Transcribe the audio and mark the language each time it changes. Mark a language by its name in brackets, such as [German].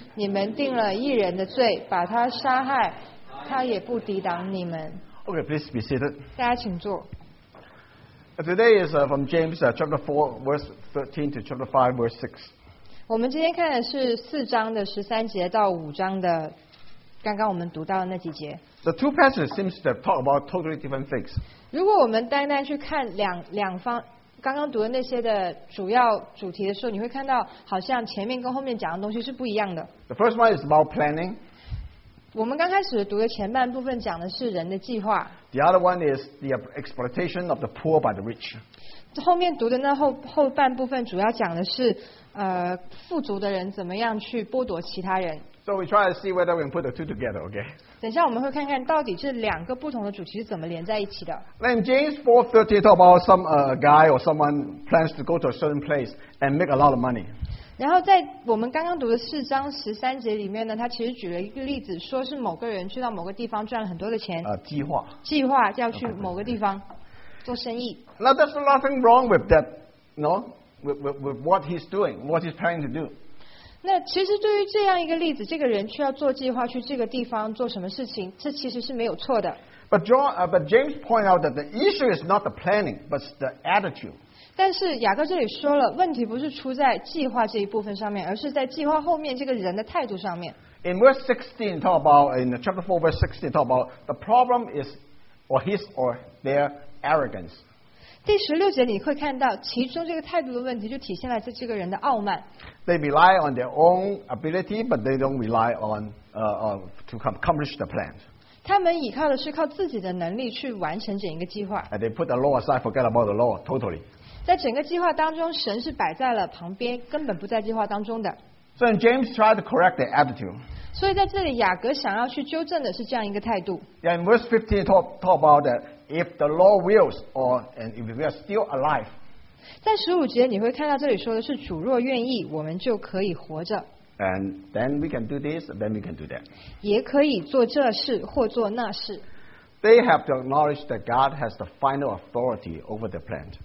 [Chinese] 你们定了一人的罪，把他杀害，他也不抵挡你们。 [English] Okay, please be seated. [Chinese] 大家请坐。 [English] Today is from James chapter 4 verse 13 to chapter 5 verse 6. [Chinese] 我们今天看的是四章的十三节到五章的刚刚我们读到的那几节。 [English] The two passages seem to have talked about totally different things. [Chinese] 如果我们单单去看两方刚刚读的那些的主要主题的时候，你会看到好像前面跟后面讲的东西是不一样的。 [English] The first one is about planning. [Chinese] 我们刚开始读的前半部分讲的是人的计划。 [English] The other one is the exploitation of the poor by the rich. [Chinese] 后面读的那后半部分主要讲的是富足的人怎么样去剥夺其他人。 [English] So we try to see whether we can put the two together, okay? [Chinese] 等下我们会看看到底这两个不同的主题是怎么连在一起的。 [English] Then James 4:13 talk about some guy or someone plans to go to a certain place and make a lot of money. [Chinese] 然后在我们刚刚读的四章十三节里面呢，他其实举了一个例子，说是某个人去到某个地方赚了很多的钱。计划要去某个地方做生意。 [English] Now there's nothing wrong with that, no? With what he's doing, what he's planning to do. [Chinese] 那其实对于这样一个例子，这个人却要做计划去这个地方做什么事情，这其实是没有错的。 [English] But James pointed out that the issue is not the planning, but the attitude. [Chinese] 但是雅各这里说了，问题不是出在计划这一部分上面，而是在计划后面这个人的态度上面。 [English] In verse 16, talk about, in chapter 4, verse 16, talk about the problem is, or his or their arrogance. [Chinese] 第十六节你会看到，其中这个态度的问题就体现在这个人的傲慢。 [English] They rely on their own ability, but they don't rely on to accomplish the plan. [Chinese] 他们依靠的是靠自己的能力去完成整一个计划。 [English] And they put the law aside, forget about the law totally. [Chinese] 在整个计划当中，神是摆在了旁边，根本不在计划当中的。 [English] So James tried to correct their attitude. [Chinese] 所以在这里，雅各想要去纠正的是这样一个态度。 [English] Yeah, in verse 15, talk about that. If the law wills, or and if we are still alive, [Chinese] 在十五节你会看到这里说的是主若愿意，我们就可以活着。 [English] And then we can do this, then we can do that. [Chinese] 也可以做这事或做那事。 [English] They have to acknowledge that God has the final authority over the plan.